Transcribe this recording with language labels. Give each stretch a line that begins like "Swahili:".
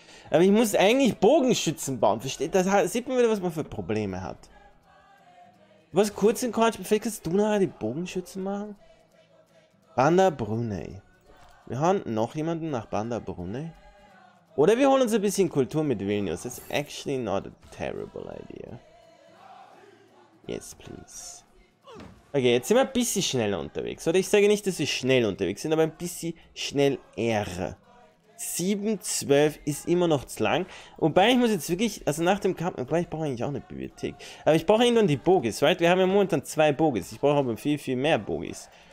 German: Aber ich muss eigentlich Bogenschützen bauen. Versteht? Da sieht man wieder, was man für Probleme hat. Was kurz in Kornspeicher? Vielleicht kannst du nachher die Bogenschützen machen? Banda Brunei. Wir haben noch jemanden nach Banda Brunei. Oder wir holen uns ein bisschen Kultur mit Vilnius.
English: That's actually not a terrible idea. Yes, please.
German: Okay, jetzt sind wir ein bisschen schneller unterwegs. Oder ich sage nicht, dass wir schnell unterwegs sind, aber ein bisschen schnell eher. 7-12 ist immer noch zu lang. Wobei ich muss jetzt wirklich, also nach dem Kampf, wobei ich brauche eigentlich auch eine Bibliothek. Aber ich brauche irgendwann die Bogis, right? Wir haben ja momentan 2 Bogis. Ich brauche aber viel, viel mehr Bogis.